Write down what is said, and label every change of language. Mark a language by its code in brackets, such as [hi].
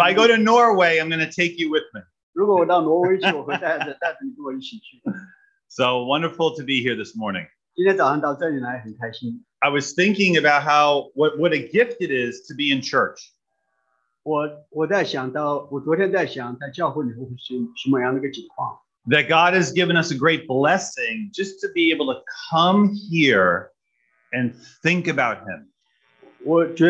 [en] If I go to Norway, I'm going to take you with me. [zh] 如果我到挪威去，我会带着你跟我一起去。 [en] So wonderful to be here this morning. [zh] 今天早上到这里来很开心。 [en] I was thinking about how what a gift it is to be in church. [zh] 我在想到，我昨天在想，在教会里头是什么样的一个情况。 [en] That God has given us a great blessing just to be able to come here and think about Him.